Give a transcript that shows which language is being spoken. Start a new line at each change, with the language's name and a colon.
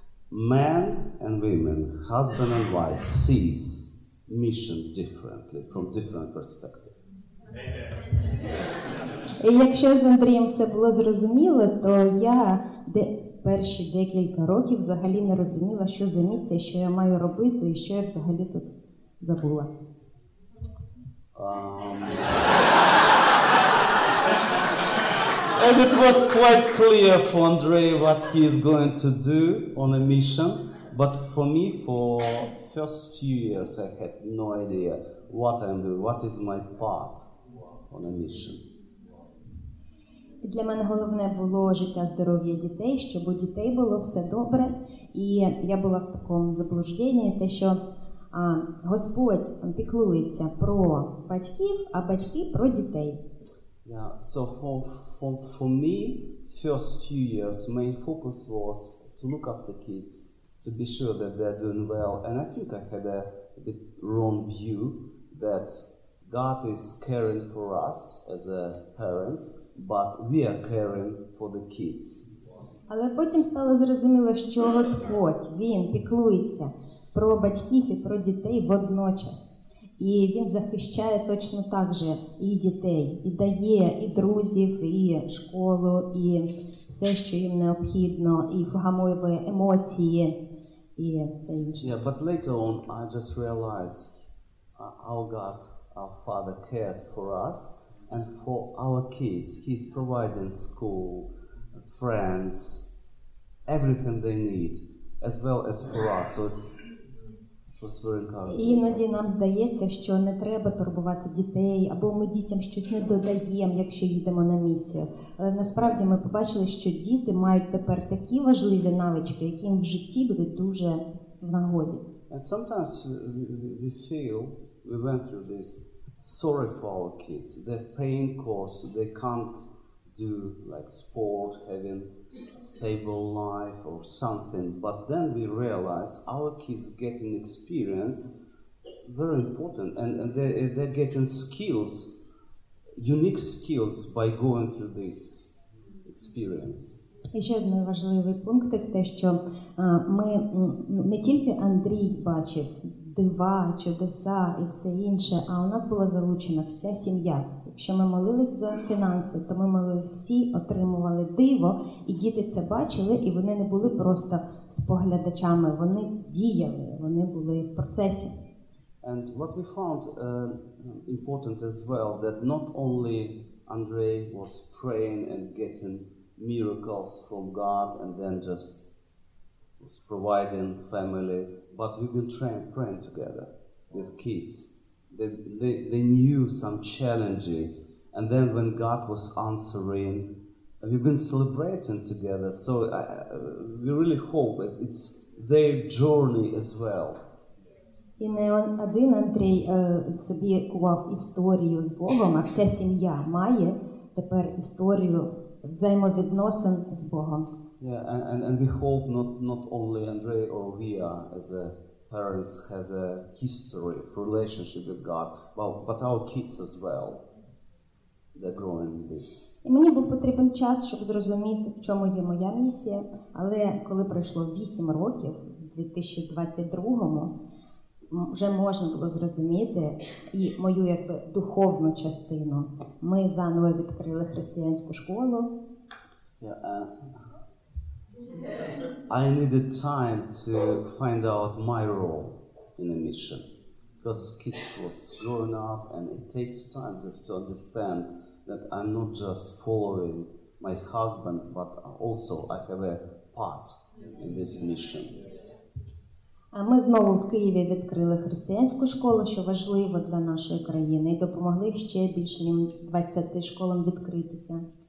English: Men and women, husband and wife, sees mission differently, from different perspective.
Ukrainian: І якщо з Андрієм все було зрозуміло, то я перші декілька років взагалі не розуміла, що за місія, що я маю робити і що я взагалі тут забула.
English: And it was quite clear for Andrei what he is going to do on a mission. But for me, for first few years, I had no idea what I'm doing, what is my part on a mission.
Ukrainian: Для мене головне було життя, здоров'я дітей, щоб у дітей було все добре. І я була в такому заблужденні, те, що Господь піклується про батьків, а батьки про дітей.
English: Yeah, so for me, first few years, my focus was to look after kids, to be sure that they're doing well. And I think I had a bit wrong view that God is caring for us as a parents, but we are caring for the kids.
Ukrainian: Але потім стало зрозуміло, що Господь, Він піклується про батьків і про дітей водночас. І Він захищає точно так же і дітей, і дає і друзів, і школу, і все, що їм необхідно, і вгамовує емоції, і все інше.
English: Yeah, but later on I just realized how God, our Father, cares for us and for our kids. He's providing school, friends, everything they need, as well as for us. So it's very encouraging.
Ukrainian: Іноді нам здається, що не треба турбувати дітей, або ми дітям щось не додаємо, якщо їдемо на місію. Але насправді ми побачили, що діти мають тепер такі важливі навички, які їм в житті будуть дуже в нагоді.
English: And sometimes we feel, we went through this, sorry for our kids, the pain caused, they can't do like sport, having stable life or something. But then we realize our kids getting experience, very important, and they're getting skills, unique skills by going through this experience.
Ukrainian: І ще один важливий пункт, те, що ми не тільки Андрій бачив дива, чудеса і все інше, а у нас була залучена вся сім'я. Якщо ми молились за фінанси, то ми молились всі, отримували диво, і діти це бачили, і вони не були просто споглядачами, вони діяли, вони були в процесі.
English: And what we found important as well, that not only Andrei was praying and getting miracles from God and then just was providing family, but we've been praying together with kids. They knew some challenges, and then when God was answering, we've been celebrating together. So we really hope that it's their journey as well.
Ukrainian: І не один Андрій собі кував історію з Богом, а вся сім'я має тепер історію взаємовідносин з Богом.
English: Yeah, and we hope not only Андрій or Via as a parents has a history of relationship with God, but our kids as well, they're growing this.
Ukrainian: І мені був потрібен час, щоб зрозуміти, в чому є моя місія, але коли пройшло 8 років, у 2022-му, вже можна було зрозуміти і мою якби духовну частину. Ми заново відкрили християнську школу.
English: I needed time to find out my role in a mission, because kids was growing up and it takes time just to understand that I'm not just following my husband, but also I have a part in this mission.
Ukrainian: Ми знову в Києві відкрили християнську школу, що важливо для нашої країни, і допомогли ще більш ніж 20 школам відкритися.